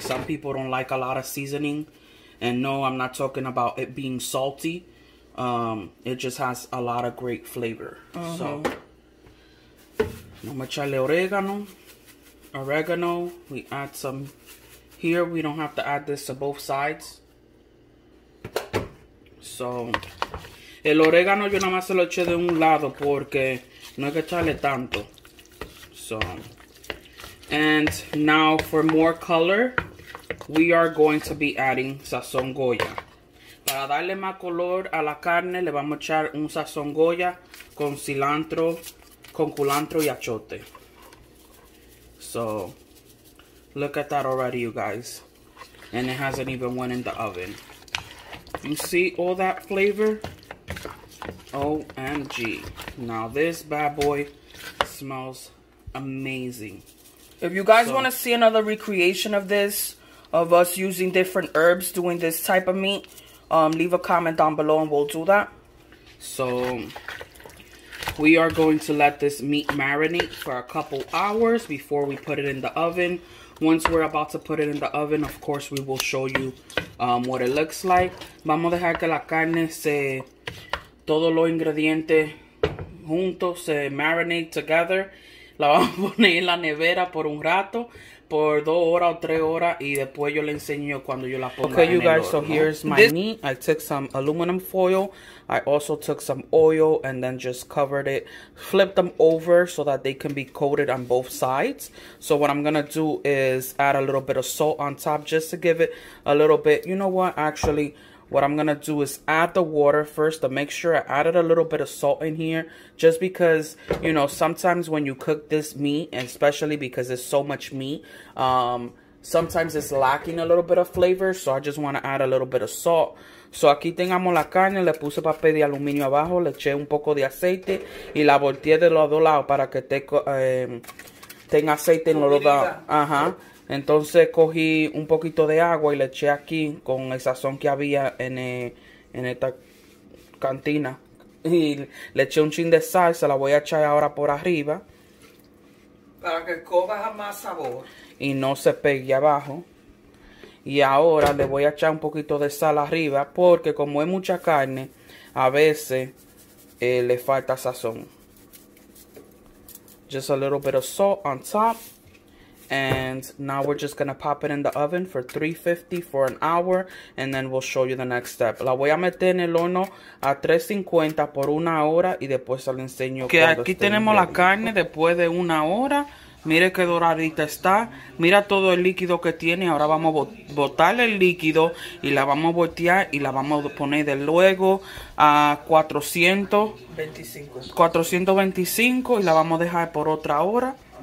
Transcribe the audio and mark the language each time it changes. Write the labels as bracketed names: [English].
[English] Some people don't like a lot of seasoning. And no, I'm not talking about it being salty. It just has a lot of great flavor. Uh-huh. So, I'm gonna [Spanish] echarle oregano. [English] We add some Here, we don't have to add this to both sides. So, [Spanish] el orégano yo nada más se lo eché de un lado porque no hay que echarle tanto. [English] So, and now for more color, we are going to be adding sazón Goya. [Spanish] Para darle más color a la carne, le vamos a echar un sazón Goya con cilantro, con culantro y achote. [English] So, look at that already, you guys. And it hasn't even went in the oven. You see all that flavor? OMG. Now this bad boy smells amazing. If you guys want to see another recreation of this, of us using different herbs doing this type of meat, leave a comment down below and we'll do that. So we are going to let this meat marinate for a couple hours before we put it in the oven. Once we're about to put it in the oven, of course, we will show you what it looks like. [Spanish] Vamos a dejar que la carne se, todos los ingredientes juntos se [English] marinate together. [Spanish] La vamos a poner en la nevera por un rato, por 2 horas o 3 horas, y después yo le enseño cuando yo la ponga en el horno. [English] Okay, you guys, so here's my meat. I took some aluminum foil. I also took some oil and then just covered it. Flipped them over so that they can be coated on both sides. So what I'm going to do is add a little bit of salt on top just to give it a little bit. You know what? Actually, what I'm going to do is add the water first to make sure I added a little bit of salt in here. Just because, you know, sometimes when you cook this meat, especially because it's so much meat, sometimes it's lacking a little bit of flavor. So I just want to add a little bit of salt. [Spanish] So aquí tengamos la carne, le puse papel de aluminio abajo, le eché un poco de aceite y la volteé de los dos lados para que tenga aceite en los dos lados. Ajá. Entonces cogí un poquito de agua y le eché aquí con el sazón que había en esta cantina. Y le eché un chin de sal, se la voy a echar ahora por arriba. Para que coja más sabor. Y no se pegue abajo. Y ahora le voy a echar un poquito de sal arriba porque como es mucha carne, a veces le falta sazón. [English] Just a little bit of salt on top. And now we're just gonna pop it in the oven for 350 for an hour, and then we'll show you the next step. [Spanish] La voy a meter en el horno a 350 por una hora y después se lo enseño. Que aquí tenemos la carne después de una hora. Mire qué doradita está. Mira todo el líquido que tiene. Ahora vamos a botar el líquido y la vamos a voltear y la vamos a poner de luego a 425 y la vamos a dejar por otra hora.